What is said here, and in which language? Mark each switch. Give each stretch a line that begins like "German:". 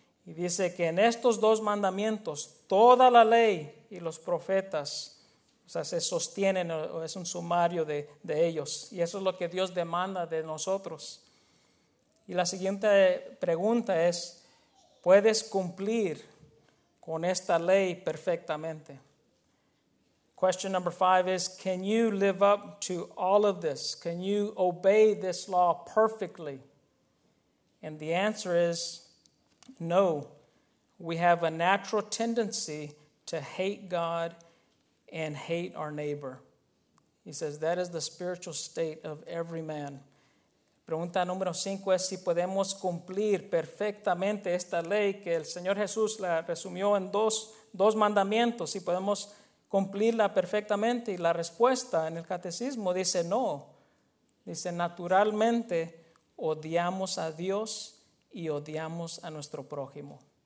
Spanish: Y dice que en estos dos mandamientos, toda la ley y los profetas, o sea, se sostienen, o es un sumario de ellos. Y eso es lo que Dios demanda de nosotros. Y la siguiente pregunta es, ¿puedes cumplir con esta ley perfectamente?
English: Question number five is, can you live up to all of this? Can you obey this law perfectly? And the answer is, no. We have a natural tendency to hate God and hate our neighbor. He says, that is the spiritual state of every man.
Spanish: Pregunta número cinco es si podemos cumplir perfectamente esta ley que el Señor Jesús la resumió en dos mandamientos. Si podemos cumplirla perfectamente. Y la respuesta en el catecismo dice no. Dice naturalmente odiamos a Dios y odiamos a nuestro prójimo.